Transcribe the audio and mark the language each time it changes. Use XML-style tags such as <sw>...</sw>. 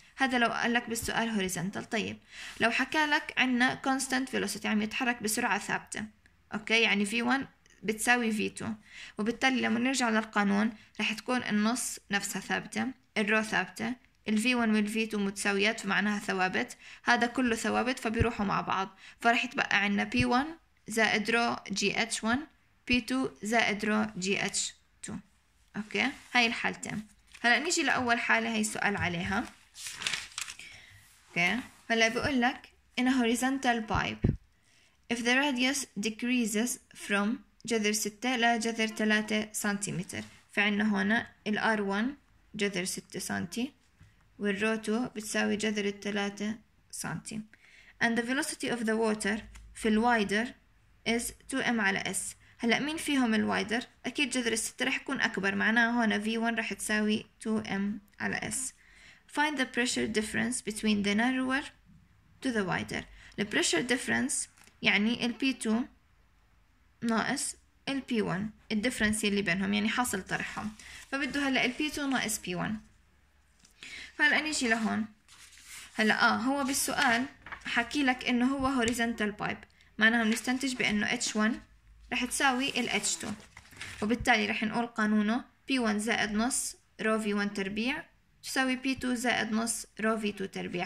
<ar>هذا لو قال لك بالسؤال هوريزنتال. طيب لو حكى لك عنا constant velocity عم يتحرك بسرعة ثابتة، أوكي، يعني V1 بتساوي V2، وبالتالي لما نرجع للقانون رح تكون النص نفسها ثابتة، الرو ثابتة، ال V1 وال V2 متساويات فمعناها ثوابت، هذا كله ثوابت فبيروحوا مع بعض، فرح يتبقى عنا P1 زائد رو جي اتش 1 P2 زائد رو جي اتش 2. أوكي، هاي الحالتين. هلأ نيجي لأول حالة، هاي سؤال عليها.</ar> <en>Okay.</en> <ar>هلا بيقول لك</ar> <en>in a horizontal pipe if the radius decreases from</en> <ar>جذر 6 ل جذر 3 سنتيمتر، فعنا هنا ال R1 جذر 6 سنتي وال R2 بتساوي جذر 3 سنتي</ar> <en>and the velocity of the water</en> <ar>في ال wider is 2m على s. هلا مين فيهم ال wider؟ اكيد جذر 6 رح يكون اكبر، معناها هنا V1 رح تساوي 2m على s.</ar> <en>Find the pressure difference between the narrower to the wider. The pressure difference</en> <ar>يعني ال P2 ناقص ال P1، الدفرنس اللي بينهم يعني حاصل طرحهم. فبده هلا ال P2 ناقص P1. فهلا نيجي لهون. هلا هو بالسؤال حكي لك انه هو horizontal pipe، معناها بنستنتج بانه H1 رح تساوي ال H2، وبالتالي رح نقول قانونه P1 زائد نص رو V1 تربيع تساوي P2 زائد نص رو V2 تربيع.</ar>